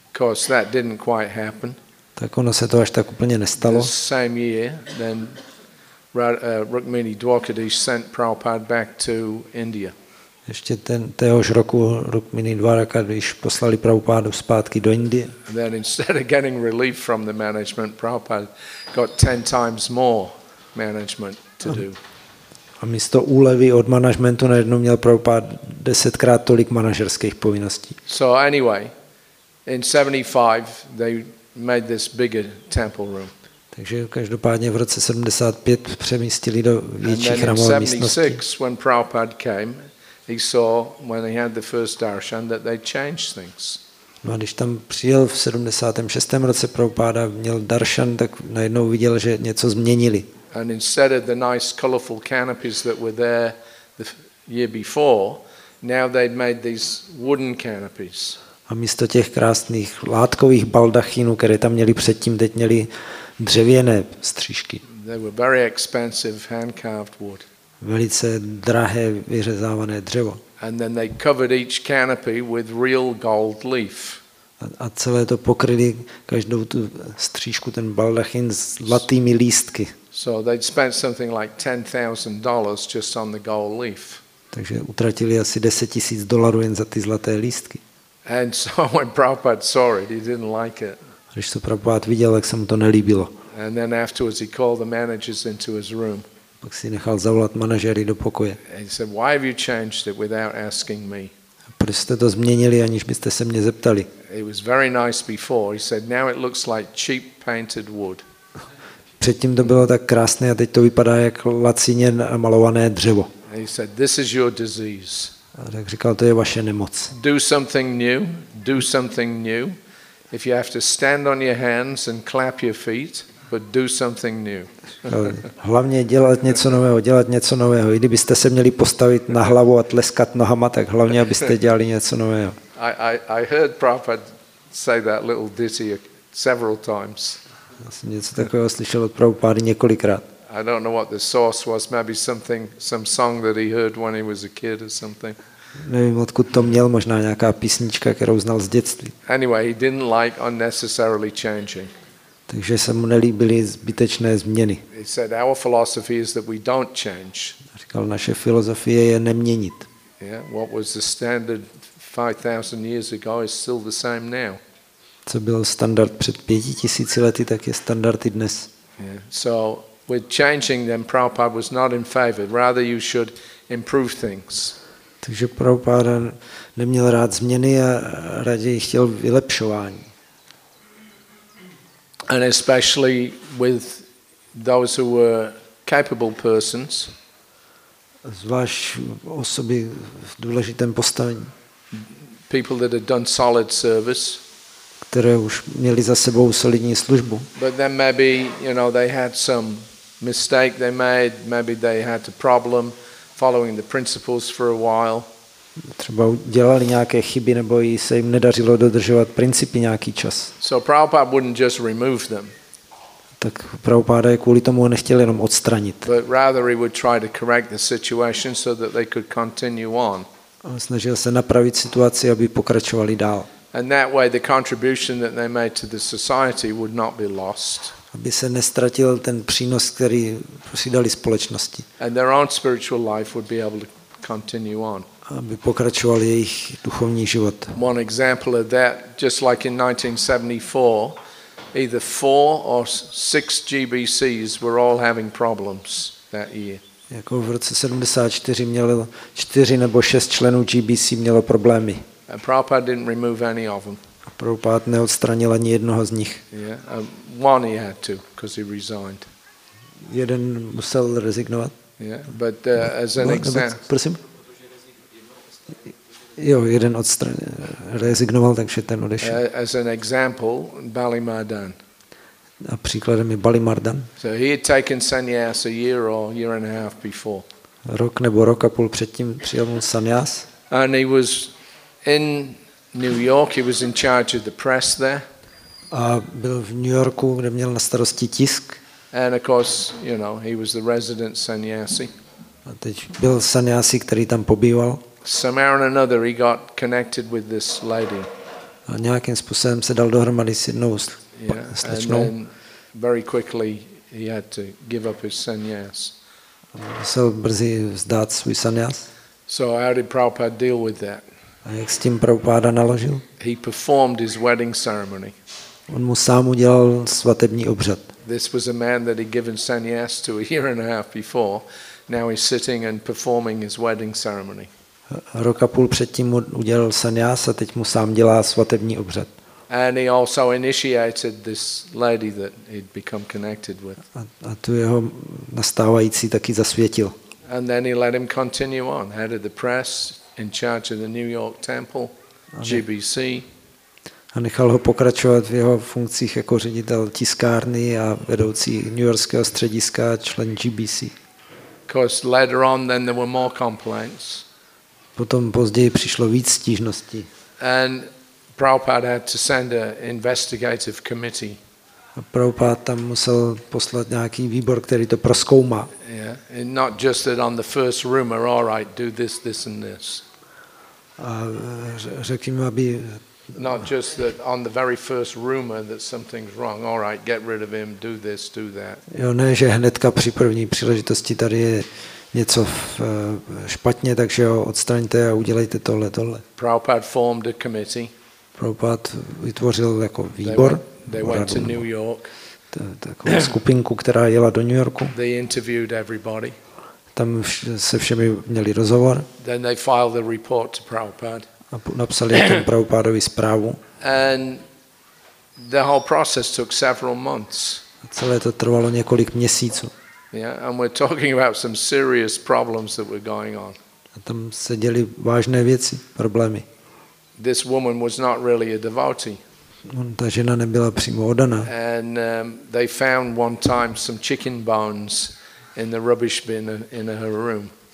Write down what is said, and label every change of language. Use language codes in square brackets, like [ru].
[en] Because that didn't quite happen. [cs] Tak ono se to až tak úplně nestalo. [en] The same year, then Rukmini Dwarkadish sent Prabhupada back to India. [cs] ještě ten téhož roku, rok mini Dvaraka, když poslali Prabhupádu zpátky do Indie. [en] And then instead of getting relief from the management, Prabhupada got 10 times more management to do. [cs] A místo úlevy od managementu najednou měl Prabhupád 10x tolik manažerských povinností. [en] So anyway, in 75 they made this bigger temple room. [cs] Takže každopádně v roce 75 přemístili do větší chrámové místnosti. [en] When Prabhupada came, he saw when he had the first darshan that they changed things. [cs] No a když tam přijel v 76. roce Prabhupada, měl darshan, tak najednou viděl, že něco změnili. [en] And instead of the nice colorful canopies that were there the year before, now they'd made these wooden canopies. [cs] A místo těch krásných látkových baldachínů, které tam měli předtím, teď měli dřevěné střížky. [en] They were very expensive hand-carved wood. [cs] Velice drahé vyřezávané dřevo. [en] And then they covered each canopy with real gold leaf. [cs] A celé to pokryli každou tu střížku ten baldachin zlatými lístky. [en] So they'd spent something like $10,000 just on the gold leaf. [cs] Takže utratili asi $10,000 jen za ty zlaté lístky. [en] And so when Prabhupada saw it, he didn't like it. [cs] Když to Prabhupád viděl, jak se mu to nelíbilo. [en] And then afterwards he called the managers into his room. [cs] Pak si nechal zavolat manažery do pokoje. [en] And he said, "Why have you changed it without asking me?" [cs] Proč jste to změnili, aniž byste se mě zeptali? [en] It was very nice before. He said, "Now it looks like cheap painted wood." [cs] Předtím to bylo tak krásné, a teď to vypadá jak lacině namalované dřevo. [en] And he said, "This is your disease." [cs] A tak říkal, to je vaše nemoc. [en] Do something new. Do something new. If you have to stand on your hands and clap your feet, but do something new. [cs] Hlavně dělat něco nového, dělat něco nového. I kdybyste se měli postavit na hlavu a tleskat nohama, tak hlavně abyste dělali něco nového. [en] I heard Prabhupada say that little ditty several times. [cs] Já jsem něco takového slyšel od Prabhupády několikrát. [en] I don't know what the source was, maybe something some song that he heard when he was a kid or something. [cs] Nevím, odkud to měl, možná nějaká písnička, kterou znal z dětství. [en] Anyway, he didn't like unnecessarily changing. [cs] Takže se mu nelíbily zbytečné změny. [en] He said, "Our philosophy is that we don't change." [cs] Říkal, naše filozofie je neměnit. [en] Yeah, what was the standard 5,000 years ago is still the same now. [cs] Co byl standard před 5,000 lety, tak je standard i dnes. [en] Yeah. So with changing them, Prabhupada was not in favor. Rather, you should improve things. [cs] Takže Prabhupáda neměl rád změny a raději chtěl vylepšování. [en] And especially with those who were capable persons. [cs] Zvlášť osoby v důležitém postavení. [en] People that had done solid service. [cs] Které už měli za sebou solidní službu. [en] But then maybe, you know, they had some mistake they made, maybe they had a problem following the principles for a while. [cs] Třeba dělali nějaké chyby nebo jí se jim nedařilo dodržovat principy nějaký čas. [en] So Prabhupada wouldn't just remove them. [cs] Tak Prabhupada je kvůli tomu nechtěl jenom odstranit. [en] But rather he would try to correct the situation so that they could continue on. [cs] A snažil se napravit situaci, aby pokračovali dál. [en] And that way the contribution that they made to the society would not be lost. [cs] Aby se nestratil ten přínos, který přidali společnosti. [en] And their own spiritual life would be able to continue on. [cs] Aby pokračoval jejich duchovní život. [en] One example of that, just like in 1974, either 4 or 6 GBCs were all having problems that year. [cs] Jako v roce 74 měli 4 nebo 6 členů GBC mělo problémy. [en] And Prabhupada didn't remove any of them. [cs] Prabhupád neodstranil ani jednoho z nich. [en] Yeah, one he had to, because he resigned. [cs] Jeden musel rezignovat. [en] Yeah, but as an example. [cs] Prosím. Jo, jeden rezignoval, takže ten odešel. [en] As an example, Bali Mardan. [cs] A příkladem je Bali Mardan. [en] So he had taken sannyas a year or year and a half before. [cs] Rok nebo rok a půl předtím přijel mu sannyas. [en] And he was in New York, he was in charge of the press there. [cs] A byl v New Yorku, kde měl na starosti tisk. [en] And of course, you know, he was the resident sannyasi. [cs] A teď byl sannyasi, který tam pobýval. [en] Somehow or another, he got connected with this lady. [cs] A nějakým způsobem se dal dohromady s jednou slečnou. [en] And then very quickly he had to give up his sannyas. [cs] Musel brzy vzdát svůj sannyas. [en] So how did Prabhupada deal with that? [cs] A jak s tím Prabhupada naložil? [en] He performed his wedding ceremony. [cs] On mu sám udělal svatební obřad. [en] This was a man that he'd given sannyas to a year and a half before. Now he's sitting and performing his wedding ceremony. [cs] Rok a půl předtím mu udělal sannyas a teď mu sám dělá svatební obřad. [en] And he also initiated this lady that he'd become connected with. [cs] A tu jeho nastávající taky zasvětil. [en] And then he let him continue on, head of the press, in charge of the New York Temple, GBC. [cs] A nechal ho pokračovat v jeho funkcích jako ředitel tiskárny a vedoucí New Yorkského střediska, člen GBC. [en] Because later on, then there were more complaints. [cs] Potom později přišlo víc stížností. [en] And Prabhupada had to send an investigative committee. [cs] A Prabhupada tam musel poslat nějaký výbor, který to prozkoumá. [en] Yeah, and not just that on the first rumor, all right, do this, this and this. [cs] A řekl jim, aby [en] not just that on the very first rumor that something's wrong, all right, get rid of him, do this, do that. [cs] Jo, ne, že hnedka při první příležitosti tady je něco špatně, takže ho odstraňte a udělejte tohle, tohle. [en] Prabhupada formed a committee. [cs] Prabhupada vytvořil jako výbor. [en] They went to New York. [cs] Takovou skupinku, která jela do New Yorku. [en] They interviewed everybody. [cs] Tam se všemi měli rozhovor. [en] Then they filed the report to Prabhupada. [cs] A napsali o tom Prabhupádovi zprávu. [en] And the whole process took several months. [cs] A celé to trvalo několik měsíců. [en] Yeah, and we're talking about some serious problems that were going on. [cs] A tam se děly vážné věci, problémy. [en] This woman was not really a devotee. [cs] Ta žena nebyla přímo oddaná. [en] And they found one time some chicken bones in the rubbish bin in her room.